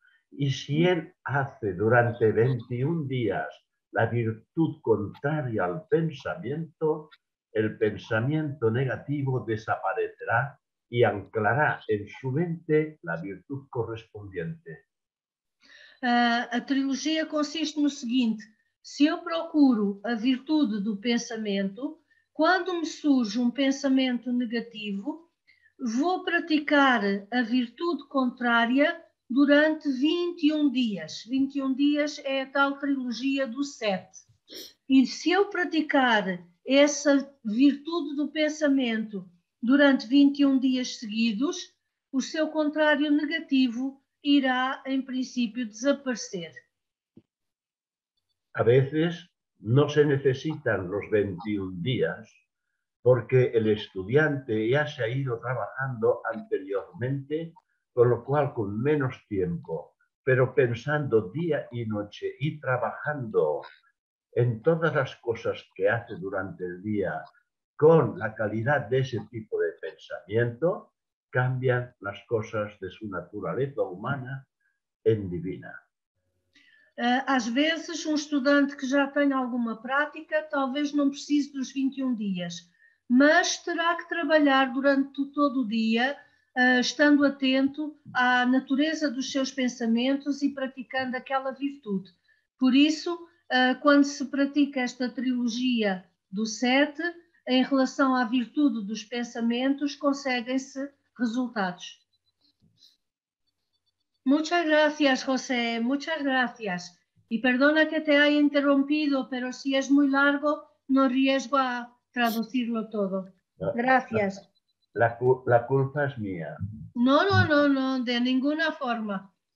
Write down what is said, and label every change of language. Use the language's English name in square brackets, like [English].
[Spanish] Y si él hace durante 21 días la virtud contraria al pensamiento, el pensamiento negativo desaparecerá y anclará en su mente la virtud correspondiente. [Portuguese] A trilogia consiste no seguinte: se eu procuro a virtude do pensamento, quando me surge um pensamento negativo, vou praticar a virtude contrária durante 21 dias. 21 dias é a tal trilogia do 7. E se eu praticar essa virtude do pensamento durante 21 dias seguidos, o seu contrário negativo irá, [Spanish] en principio, [Portuguese] desaparecer. [Spanish] A veces no se necesitan los 21 días porque el estudiante ya se ha ido trabajando anteriormente, con lo cual con menos tiempo, pero pensando día y noche y trabajando en todas las cosas que hace durante el día con la calidad de ese tipo de pensamiento, cambian las cosas de su naturaleza humana en divina. [Portuguese] Às vezes, um estudante que já tem alguma prática, talvez não precise dos 21 dias, mas terá que trabalhar durante todo o dia, estando atento à natureza dos seus pensamentos e praticando aquela virtude. Por isso, quando se pratica esta trilogia do 7, em relação à virtude dos pensamentos, conseguem-se resultados. [Spanish] Muchas gracias, José. Muchas gracias. Y perdona que te haya interrumpido, pero si es muy largo, no riesgo a traducirlo todo. Gracias. La culpa es mía. No, de ninguna forma.